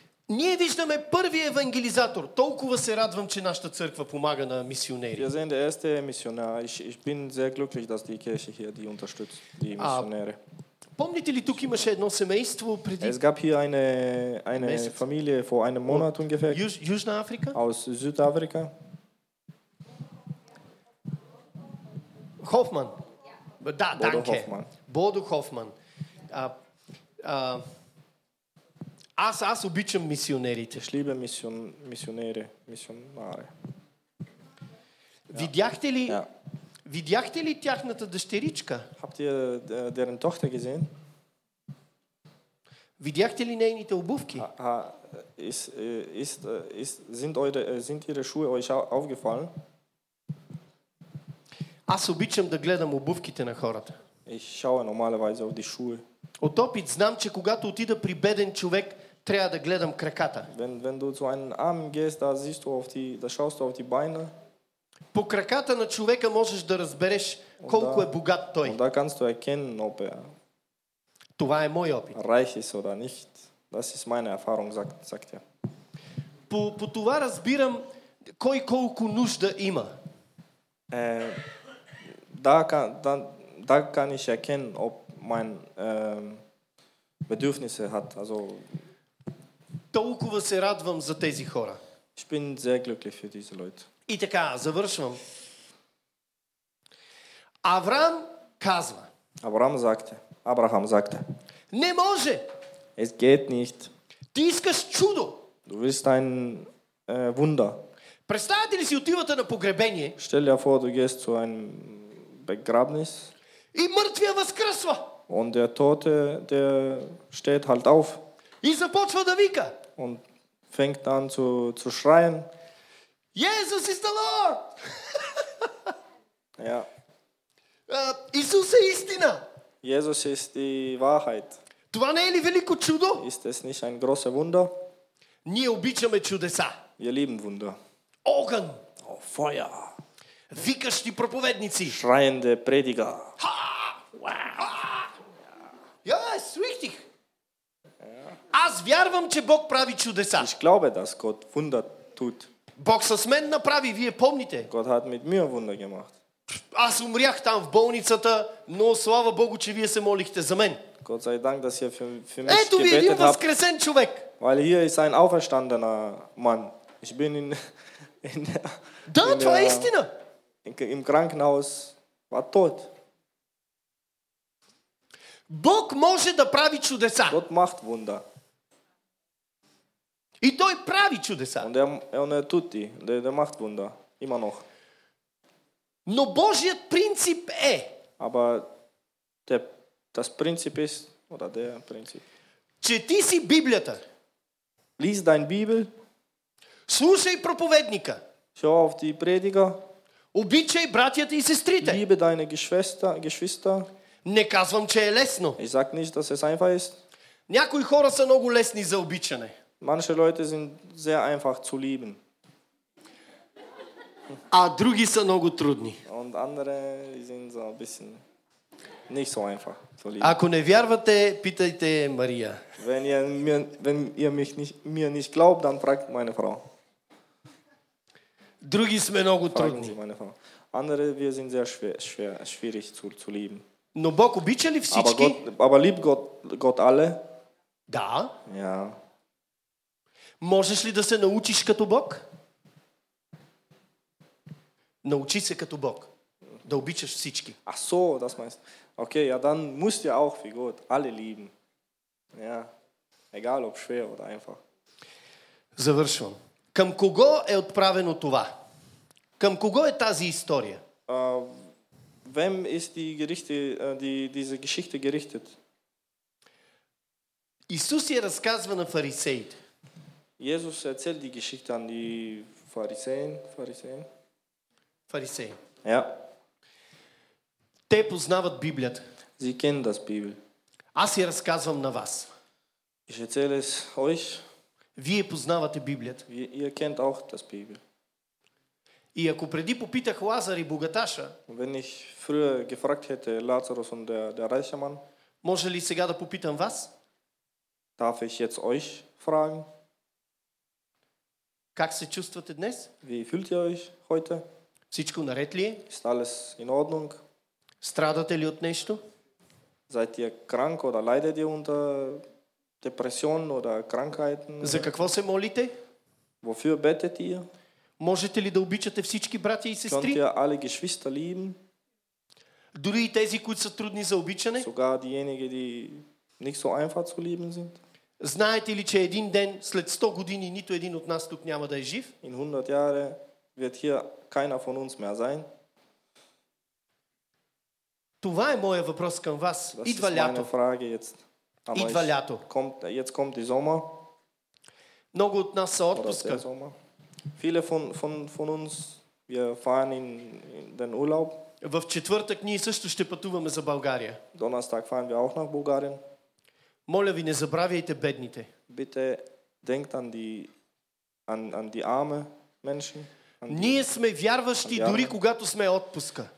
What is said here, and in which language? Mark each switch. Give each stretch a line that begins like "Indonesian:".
Bulgarian: Ние виждаме първи евангелизатор. Толкова се радвам, че нашата църква помага на мисионери.
German: Wir sehen der erste Missionar. Ich bin sehr glücklich, dass die Kirche hier die unterstützt, die Missionäre.
Bulgarian: Помните ли, тук имаше едно семейство преди?
German: Es gab hier eine Familie vor einem Monat ungefähr.
Bulgarian: Южна Африка?
German: Aus Südafrika. Hoffmann. Ja. Da, Bodo danke. Hoffmann. Bodo Hoffmann.
Bulgarian: Аз обичам мисионерите.
German: Ich liebe Missionäre, Missionare.
Bulgarian: Видяхте ли тяхната дъщеричка?
German: Habt ihr deren Tochter gesehen?
Bulgarian: Видяхте ли нейните обувки?
German: Sind ihre Schuhe euch aufgefallen?
Bulgarian: Аз обичам да гледам обувките на хората.
German: Ich schaue normalerweise auf die Schuhe.
Bulgarian: От опит знам, че когато отида при беден човек, трябва да гледам краката.
German: Wenn du zu einem armen gehst, schaust du auf die Beine.
Bulgarian: По краката на човека можеш да разбереш колко е богат той.
German: Und da kannst du erkennen, ob er.
Bulgarian: Това е мой опит.
German: Reich ist oder nicht. Das ist meine Erfahrung, sagt er.
Bulgarian: По това разбирам кой колко нужда има.
German: Da kann ich erkennen, ob mein Bedürfnisse hat. Also,
Bulgarian: толкова се радвам за тези хора.
German: Ich bin sehr glücklich für diese Leute.
Bulgarian: И така, завършвам. Авраам казва.
German: Абрахам sagte.
Bulgarian: Не може.
German: Es geht nicht.
Bulgarian: Ти искаш чудо.
German: Du willst ein Wunder.
Bulgarian: Представете ли си отивате на погребение?
German: Stell dir vor, du gehst zu einem Begrabnis.
Bulgarian: И мъртвия възкръсва.
German: Und der Tote, der steht halt auf.
Bulgarian: И започва да вика.
German: Und fängt an zu schreien.
English: Jesus is the Lord.
German: Ja.
Croatian: Isus je istina.
German: Jesus ist die Wahrheit.
Bulgarian: Това не е ли велико чудо?
German: Ist es nicht ein großes Wunder?
Bulgarian: Ние обичаме чудеса.
German: Wir lieben Wunder.
Bulgarian: Огън.
German: Oh, Feuer.
Bulgarian: Викащи проповедници.
German: Schreiende Prediger. Ha! Wow! Ja, ist richtig.
Bulgarian: Аз вярвам, че Бог прави чудеса.
German: Ich glaube, dass Gott Wunder tut.
Bulgarian: Бог с мен направи, вие помните.
German: Gott hat mit mir Wunder gemacht.
Bulgarian: Аз умрях там в болницата, но слава Богу, че вие се молихте за мен.
German: Gott sei Dank, dass ihr für mich gebetet habt.
Bulgarian: Ето ви един възкресен човек.
German: Weil hier ist ein auferstandener Mann. Ich bin in
Bulgarian: Да, това е истина.
German: Im Krankenhaus war tot.
Bulgarian: Бог може да прави чудеса.
German: Gott macht Wunder.
Bulgarian: И той прави чудеса.
German: Und er tut die. Der macht Wunder. Immer noch.
Bulgarian: Но Божият принцип е.
German: Aber das Prinzip ist, oder der Prinzip.
Bulgarian: Че ти си Библията.
German: Lies dein Bibel.
Bulgarian: Слушай проповедника.
German: Hör auf die Prediger.
Bulgarian: Обичай братята и сестрите.
German: Liebe deine Geschwister.
Bulgarian: Не казвам, че е лесно.
German: Ich sag nicht, dass es einfach ist.
Bulgarian: Някои хора са много лесни за обичане.
German: Manche Leute sind sehr einfach zu lieben.
Bulgarian: А други са много трудни.
German: Und andere sind so ein bisschen nicht so einfach zu lieben.
Bulgarian: Ако не вярвате, питайте Мария.
German: Wenn ihr mir nicht glaubt, dann fragt meine Frau.
Bulgarian: Други сме много трудни.
German: Andere, wir sind sehr schwierig zu lieben.
Bulgarian: Но Бог обича ли всички?
German: Aber liebt Gott alle?
Bulgarian: Да.
German: Ja.
Bulgarian: Можеш ли да се научиш като Бог? Научи се като Бог. Да обичаш всички.
German: Ach so, das meinst. Okay, ja, dann musst du auch wie Gott alle lieben. Ja. Egal ob schwer oder einfach.
Bulgarian: Завършвам. Към кого е отправено това? Към кого е тази история?
German: Wem ist diese Geschichte gerichtet?
Bulgarian: Исус я разказва на фарисеите.
German: Jesus erzählt die Geschichte an die Pharisäen. Pharisäen. Ja.
Bulgarian: Те познават Библията.
German: Sie kennen das Bibel.
Bulgarian: Аз я разказвам на вас.
German: Ich erzähle es euch.
Bulgarian: Вие познавате Библията.
German: Ihr kennt auch das Bibel.
Bulgarian: И ако преди попитах Лазар и богаташа,
German: wenn ich früher gefragt hätte Lazarus und der reiche Mann,
Bulgarian: може ли сега да попитам вас?
German: Darf ich jetzt euch fragen?
Bulgarian: Как се чувствате днес?
German: Wie fühlt ihr euch heute?
Bulgarian: Всичко наред ли е?
German: Ist alles in Ordnung?
Bulgarian: Страдате ли от нещо?
German: Seid ihr krank oder leidet ihr unter Depressionen oder Krankheiten?
Bulgarian: За какво се молите?
German: Wofür betet ihr?
Bulgarian: Можете ли да обичате всички братя и сестри?
German: Könnt ihr alle Geschwister lieben?
Bulgarian: Дори и тези, които са трудни за обичане?
German: Sogar diejenige, die nicht so einfach zu lieben sind?
Bulgarian: Знаете ли, че един ден след 100 години нито един от нас тук няма да е жив?
German: In 100 Jahre wird hier keiner von uns mehr sein.
Bulgarian: Това е моя въпрос към вас. Идва лято. Идва лято.
German: Jetzt kommt die Sommer.
Bulgarian: Много от нас са отпуска.
German: Viele von uns wir fahren in den Urlaub.
Bulgarian: В четвъртък ние също ще пътуваме за България.
German: Donnerstag fahren wir auch nach Bulgarien.
Bulgarian: Моля ви, не забравяйте бедните.
German: Bitte denkt an die arme Menschen.
Bulgarian: Ние сме вярващи дори когато сме отпуска.